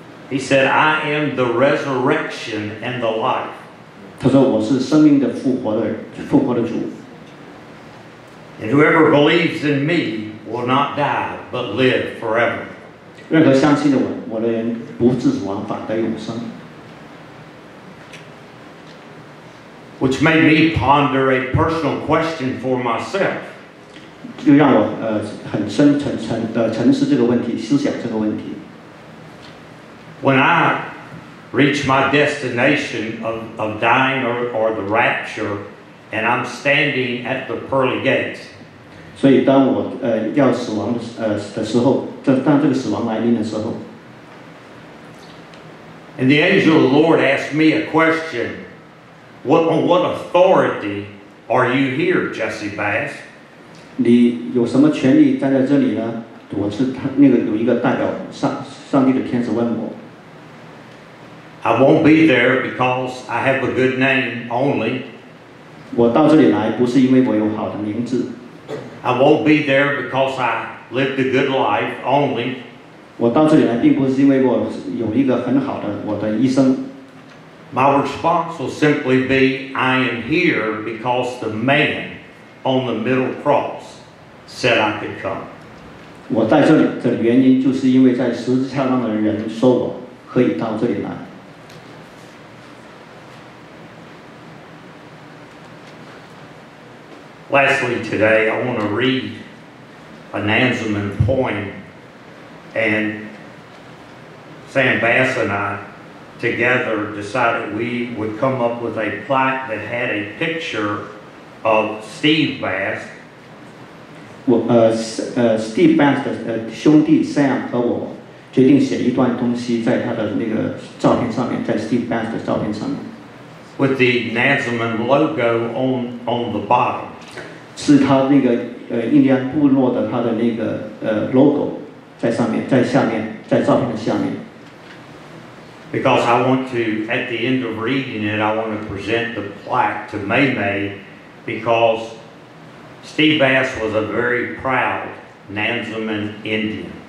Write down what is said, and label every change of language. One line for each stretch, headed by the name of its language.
English: He said, I am the resurrection and the life.
Chinese: 他说我是生命的复活的主。
English: And whoever believes in me will not die, but live forever.
Chinese: 任何相信的我的人不至死亡，反得永生。
English: Which made me ponder a personal question for myself.
Chinese: 就让我很深沉思这个问题，思想这个问题。
English: When I reach my destination of dying or the rapture, and I'm standing at the pearly gates.
Chinese: 所以当我要死亡的时候，当这个死亡来临的时候。
English: And the angel of the Lord asked me a question. What authority are you here, Jesse Bass?
Chinese: 你有什么权利站在这里呢？我是那个有一个代表上帝的天使问我。
English: I won't be there because I have a good name only.
Chinese: 我到这里来不是因为我有好的名字。
English: I won't be there because I lived a good life only.
Chinese: 我到这里来并不是因为我有一个很好的我的一生。
English: My response will simply be, I am here because the man on the middle cross said I could come.
Chinese: 我在这里的原因就是因为在十字架上的人说我可以到这里来。
English: Lastly today, I want to read a Nansemond poem, and Sam Bass and I together decided we would come up with a plaque that had a picture of Steve Bass. Well,
Chinese: Steve Bass 的兄弟 Sam 和我决定写一段东西在他的那个照片上面，在 Steve Bass 的照片上面。
English: With the Nansemond logo on the bottom.
Chinese: 是他那个印第安部落的他的那个logo 在上面，在下面，在照片的下面。
English: Because I want to, at the end of reading it, I want to present the plaque to May May, because Steve Bass was a very proud Nansemond Indian.